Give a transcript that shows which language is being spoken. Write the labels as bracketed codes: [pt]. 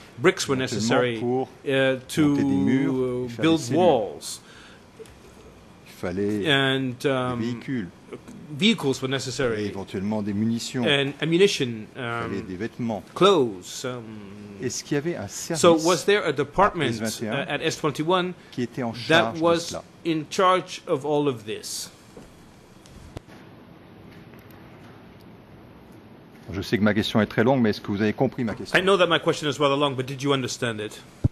[en] Bricks were necessary to build walls, and vehicles were necessary, and ammunition, clothes. [fr] Est-ce qu'il y avait un service, [en] so was there a department at S21 [fr] qui était en charge [en] that was in charge of all of this? [fr] Je sais que ma question est très longue, mais est-ce que vous avez compris ma question? [en] I know that my question is rather long, but did you understand it?